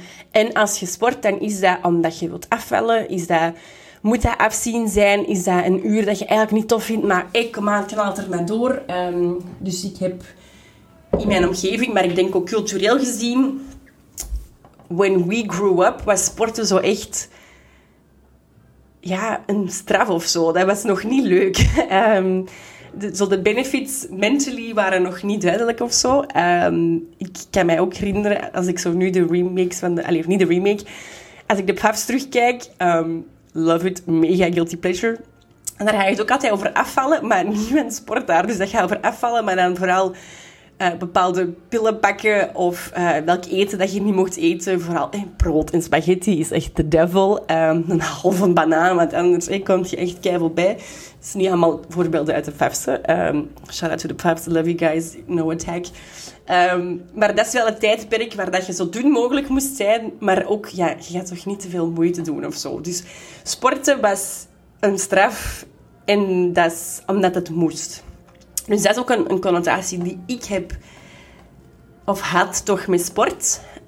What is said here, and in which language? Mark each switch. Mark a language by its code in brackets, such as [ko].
[nl] En als je sport, dan is dat omdat je wilt afvallen. Moet dat afzien zijn? Is dat een uur dat je eigenlijk niet tof vindt? Maar ik knal er maar door. Dus ik heb in mijn omgeving, maar ik denk ook cultureel gezien... [en] When we grew up, [nl] was sporten zo echt... Ja, een straf of zo. Dat was nog niet leuk. De benefits mentally waren nog niet duidelijk of zo. Ik kan mij ook herinneren, als ik zo nu de remakes van de... Allee, niet de remake. Als ik de Puffs terugkijk, [en] love it, [nl] mega guilty pleasure. En daar ga je het ook altijd over afvallen, maar niet met sport daar. Dus dat gaat over afvallen, maar dan vooral bepaalde pillen pakken of welk eten dat je niet mocht eten. Vooral brood en spaghetti is echt de devil. Een halve banaan, want anders kom je echt keiveel bij. Het is niet allemaal voorbeelden uit de Pfafse. [en] Shout out to the Pfafse, love you guys, no attack. [nl] Maar dat is wel het tijdperk waar dat je zo dun mogelijk moest zijn. Maar ook, ja, je gaat toch niet te veel moeite doen of zo. Dus sporten was een straf en dat is omdat het moest. Dus dat is ook een connotatie die ik heb of had toch met sport.